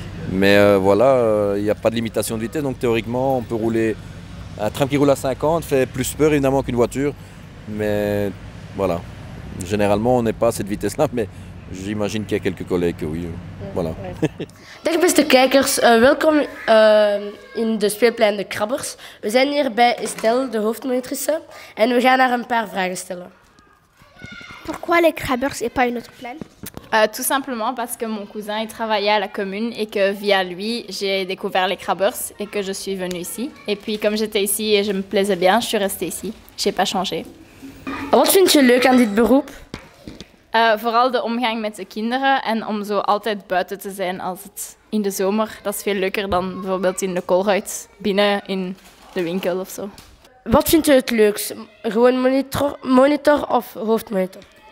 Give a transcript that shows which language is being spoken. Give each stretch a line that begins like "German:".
French: Mais voilà, il n'y a pas de limitation de vitesse, donc théoriquement, on peut rouler... Un tram qui roule à 50 fait plus peur, évidemment, qu'une voiture, mais voilà. Généralement, on n'est pas à cette vitesse-là, mais j'imagine qu'il y a quelques collègues, oui, voilà.
Dutch: Dag, beste kijkers, welkom in de speelplein de Krabbers. We zijn hier bij Estelle, de hoofdmonitrice, en we gaan haar een paar vragen stellen.
French: Pourquoi les Krabbers et pas une autre plein? Tout simplement parce que mon cousin il travaillait à la commune et que via lui, j'ai découvert les Krabbers et que je suis venue ici. Et puis comme j'étais ici et je me plaisais bien, je suis restée ici. Je n'ai pas changé.
Dutch: Wat vind je leuk aan dit beroep? Vooral de omgang met de kinderen en om zo altijd buiten te zijn als het in de zomer. Dat is veel leuker dan bijvoorbeeld in de koolruit binnen in de winkel of zo. Wat vind je het leukst? Gewoon monitor of hoofdmonitor?